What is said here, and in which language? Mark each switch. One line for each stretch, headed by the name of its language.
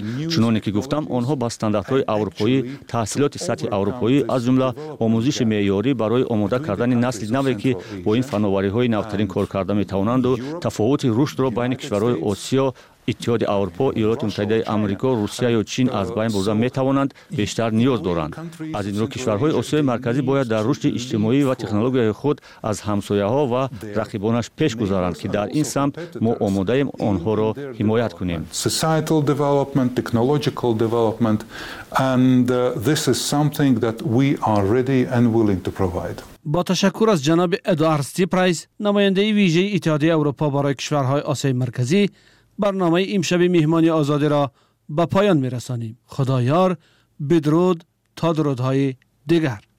Persian: چنانی که گفتم آنها با استانداردهای اروپایی، تحصیلات سطح اروپایی از جمله آموزش معیاری برای آماده کردن نسل نوی که با این فناوری های نوترین کار کرده میتوانند و تفاوت رشد را بین کشورهای آسیا، اتحاد اروپا، ایالات متحده آمریکا، روسیه یا چین از بین برده می توانند بیشتر نیاز دارند. از این رو کشورهای آسیای مرکزی باید در رشد اجتماعی و تکنولوژی خود از همسایه ها و رقیبانش پیش گذارند که در این سمت ما آماده ایم آنها را حمایت کنیم.
English: Societal development, technological development, and this is something that we are ready and willing to provide.
Persian: با تشکر از جناب ادوارد سیپرایس، نماینده ویژه اتحاد اروپا برای کشورهای آسیای مرکزی، برنامه امشب مهمانی آزادی را به پایان می رسانیم. خدا یار، بدرود تا درودهای دیگر.